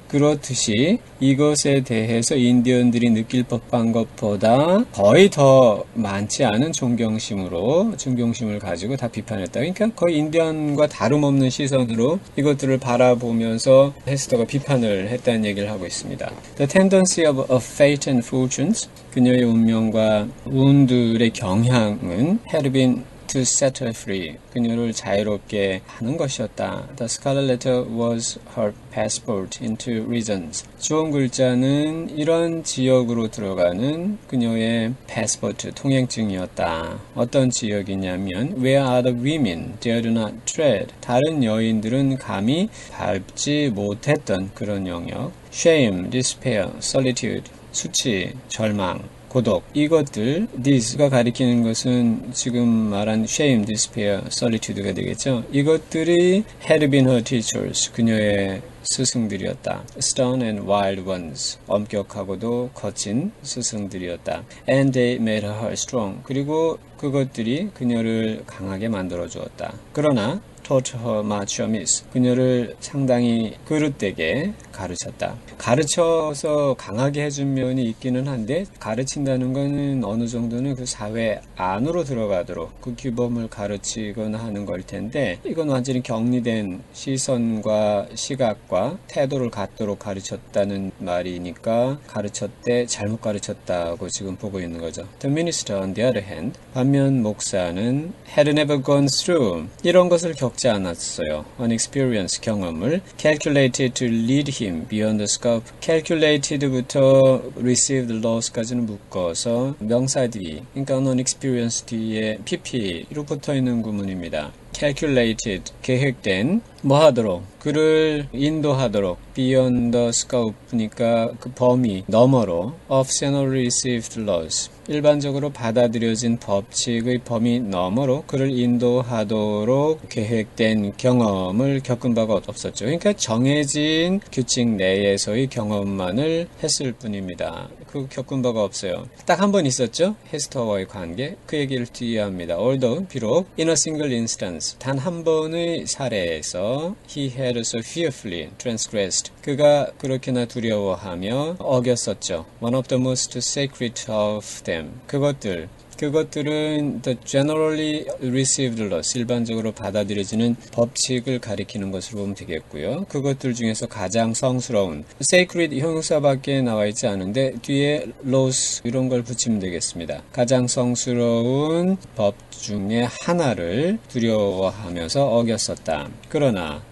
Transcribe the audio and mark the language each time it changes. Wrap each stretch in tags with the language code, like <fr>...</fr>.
<ko>그렇듯이 이것에 대해서 인디언들이 느낄 법한 것보다 거의 더 많지 않은 존경심으로, 존경심을 가지고 다 비판했다. 그러니까 거의 인디언과 다름없는 시선으로 이것들을 바라보면서 헤스터가 비판을 했다. 다는 얘기를 하고 있습니다.</ko> <en>The tendency of a fate and fortunes,</en> <ko>그녀의 운명과 운들의 경향은</ko> <en>had been to set her free,</en> <ko>그녀를 자유롭게 하는 것이었다.</ko> <en>The scarlet letter was her passport into regions.</en> <ko>주홍 글자는 이런 지역으로 들어가는 그녀의 passport, 통행증이었다. 어떤 지역이냐면,</ko> <en>where are the women dared not tread?</en> <ko>다른 여인들은 감히 밟지 못했던 그런 영역.</ko> <en>Shame, despair, solitude,</en> <ko>수치, 절망. 고독, 이것들, this가 가리키는 것은 지금 말한</ko> <en>shame, despair, solitude</en> <ko>가 되겠죠. 이것들이</ko> <en>had been her teachers,</en> <ko>그녀의 스승들이었다.</ko> <en>Stern and wild ones,</en> <ko>엄격하고도 거친 스승들이었다.</ko> <en>And they made her strong,</en> <ko>그리고 그것들이 그녀를 강하게 만들어 주었다. 그러나,</ko> <en>taught her much amiss,</en> <ko>그녀를 상당히 그릇되게 가르쳤다. 가르쳐서 강하게 해준 면이 있기는 한데 가르친다는 거는 어느 정도는 그 사회 안으로 들어가도록 그 규범을 가르치거나 하는 걸 텐데 이건 완전히 격리된 시선과 시각과 태도를 갖도록 가르쳤다는 말이니까 가르쳤대 잘못 가르쳤다고 지금 보고 있는 거죠.</ko> <en>The minister on the other hand,</en> <ko>반면 목사는</ko> <en>had never gone through</en> <ko>이런 것을 겪지 않았어요.</ko> <en>An experience</en> <ko>경험을</ko> <en>calculated to lead him beyond the scope Calculated부터 received loss까지는 묶어서 명사 뒤,</en> <ko>그러니까 unexperienced 뒤에 PP로 붙어 있는 구문입니다.</ko> <en>Calculated, 계획된, 뭐 하도록,</en> <ko>그를 인도하도록,</ko> <en>beyond the scope니까 그 범위, 너머로, of generally received laws.</en> <ko>일반적으로 받아들여진 법칙의 범위 너머로 그를 인도하도록 계획된 경험을 겪은 바가 없었죠. 그러니까 정해진 규칙 내에서의 경험만을 했을 뿐입니다. 그 겪은 바가 없어요. 딱한번 있었죠? 헤스터와의 관계. 그 얘기를 뒤에 합니다.</ko> <en>Although, 비록, in a single instance,</en> <ko>단한 번의 사례에서,</ko> <en>he had so fearfully transgressed.</en> <ko>그가 그렇게나 두려워하며 어겼었죠.</ko> <en>One of the most sacred of them.</en> <ko>그것들. 그것들은</ko> <en>the generally received laws,</en> <ko>일반적으로 받아들여지는 법칙을 가리키는 것으로 보면 되겠고요. 그것들 중에서 가장 성스러운 sacred 형용사밖에 나와 있지 않은데 뒤에 laws 이런 걸 붙이면 되겠습니다. 가장 성스러운 법 중에 하나를 두려워하면서 어겼었다. 그러나</ko>